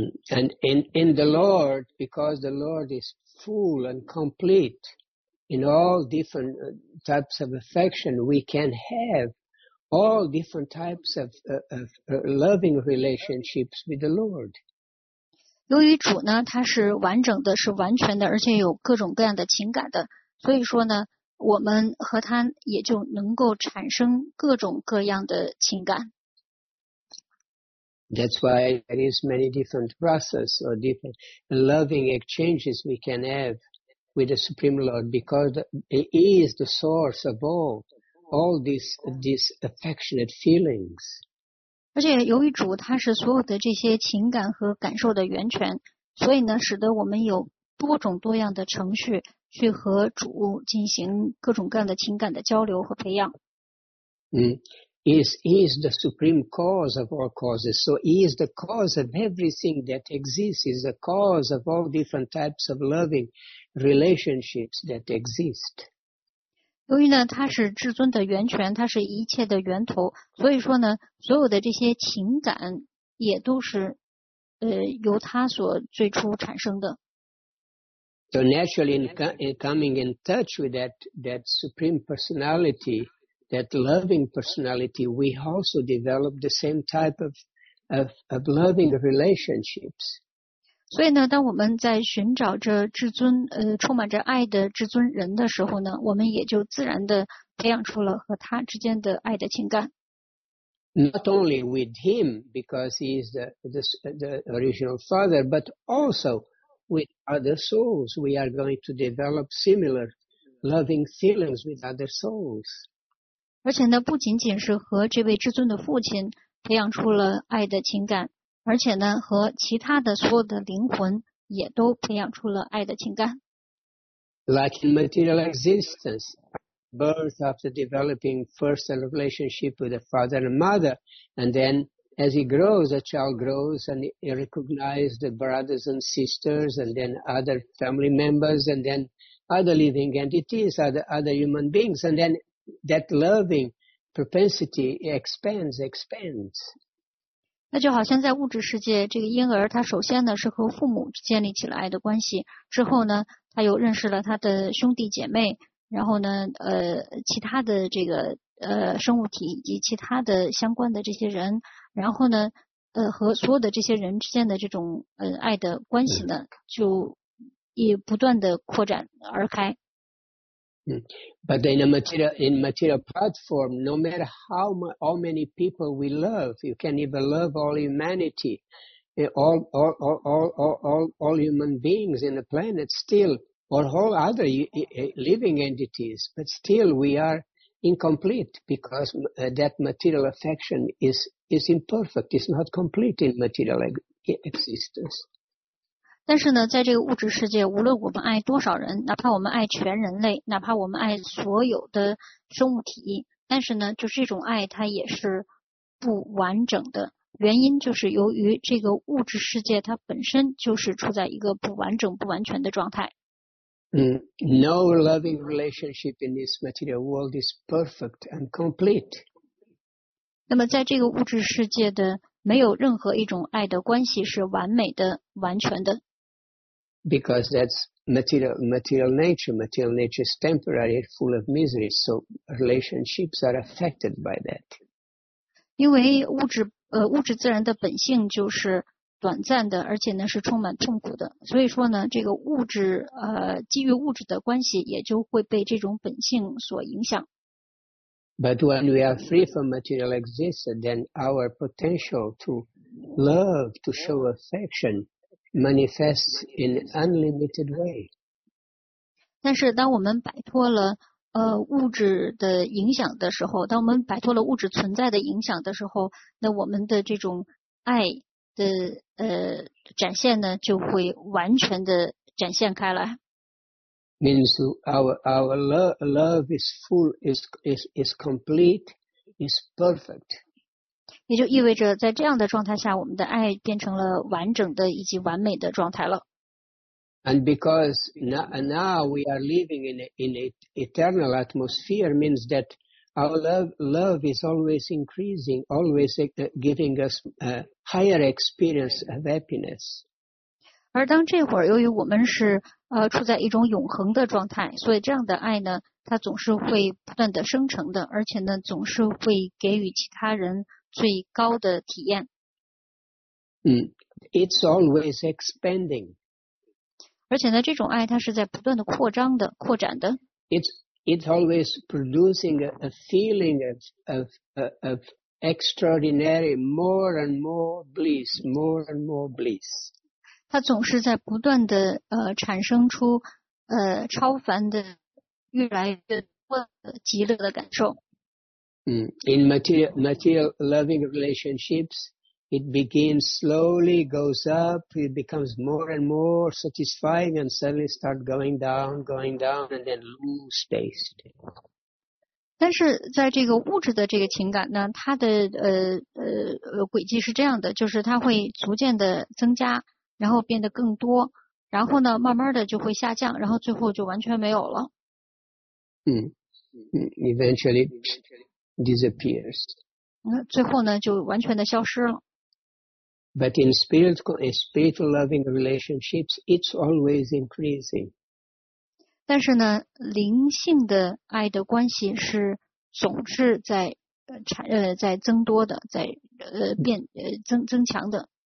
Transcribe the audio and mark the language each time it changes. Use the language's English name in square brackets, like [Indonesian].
[English] And in the Lord, because the Lord is full and complete in all different types of affection, we can have all different types of loving relationships with the Lord. [Chinese] 由于主呢，他是完整的，是完全的，而且有各种各样的情感的，所以说呢，我们和他也就能够产生各种各样的情感。 [English] That's why there is many different rasas or different loving exchanges we can have with the Supreme Lord because He is the source of all these affectionate feelings. [Chinese] 而且由于主他是所有的这些情感和感受的源泉，所以呢使得我们有多种多样的程序去和主进行各种各样的情感的交流和培养。 [English] He is the supreme cause of all causes. So he is the cause of everything that exists, is the cause of all different types of loving relationships that exist. [Chinese] 由于呢它是至尊的源泉，它是一切的源头，所以说呢所有的这些情感也都是由它所最初产生的。 [English] So naturally in coming in touch with that supreme personality, that loving personality, we also develop the same type of loving relationships. [Chinese] 所以呢当我们在寻找着至尊充满着爱的至尊人的时候呢，我们也就自然地培养出了和他之间的爱的情感。 [English] Not only with him, because he is the original father, but also with other souls, we are going to develop similar loving feelings with other souls. [Chinese] 而且呢不仅仅是和这位至尊的父亲培养出了爱的情感。而且呢和其他的所有的灵魂也都培养出了爱的情感。 [English] Like in material existence, birth after developing first a relationship with the father and mother, and then as he grows, a child grows and he recognizes the brothers and sisters and then other family members and then other living entities, other human beings, and then that loving propensity expands. [Chinese] 那就好像在物质世界，这个婴儿他首先呢是和父母建立起了爱的关系，之后呢他又认识了他的兄弟姐妹，然后呢其他的这个生物体以及其他的相关的这些人，然后呢和所有的这些人之间的这种爱的关系呢就也不断的扩展而开。 [English] But in a material, in material platform, no matter how all many people we love, you can't even love all humanity, all human beings in the planet still, or all other living entities, but still we are incomplete because that material affection is imperfect, is not complete in material existence. [Chinese] 但是呢，在这个物质世界，无论我们爱多少人，哪怕我们爱全人类，哪怕我们爱所有的生物体，但是呢，就是这种爱它也是不完整的。原因就是由于这个物质世界它本身就是处在一个不完整、不完全的状态。 [English] No loving relationship in this material world is perfect and complete. [Chinese] 那么在这个物质世界的没有任何一种爱的关系是完美的、完全的。 [English] Because that's material nature. Material nature is temporary, full of misery. So relationships are affected by that. [Chinese] 因为物质自然的本性就是短暂的，而且呢是充满痛苦的。所以说呢，这个物质基于物质的关系也就会被这种本性所影响。 [English] But when we are free from material existence, then our potential to love, to show affection. Manifests in unlimited way. [Chinese] 但是当我们摆脱了物质的影响的时候，当我们摆脱了物质存在的影响的时候，那我们的这种爱的展现呢，就会完全的展现开来。 [English] Means our love is full, is complete, is perfect. [Chinese] 也就意味着在这样的状态下，我们的爱变成了完整的以及完美的状态了。 [English] And because now we are living in an eternal atmosphere means that our love is always increasing, always giving us a higher experience of happiness. [Chinese] 而当这会儿由于我们是处在一种永恒的状态，所以这样的爱呢，它总是会不断的生成的，而且呢，总是会给予其他人最高的体验。 [English] It's always expanding. [Chinese] 而且呢，这种爱它是在不断的扩张的、扩展的。 [English] It's always producing a feeling of extraordinary more and more bliss, more and more bliss. [Chinese] 它总是在不断的产生出超凡的、越来越多的极乐的感受。 [English] In material loving relationships, it begins slowly, goes up, it becomes more and more satisfying, and suddenly start going down, and then lose taste. [Chinese] 但是在这个物质的这个情感呢，它的轨迹是这样的，就是它会逐渐的增加，然后变得更多，然后呢，慢慢的就会下降，然后最后就完全没有了。 [English] Eventually. Disappears. [Chinese] 最后呢，就完全的消失了。 [English] But in spiritual loving relationships, it's always increasing. [Chinese] 但是呢，灵性的爱的关系是总是在在增多的，在增强的。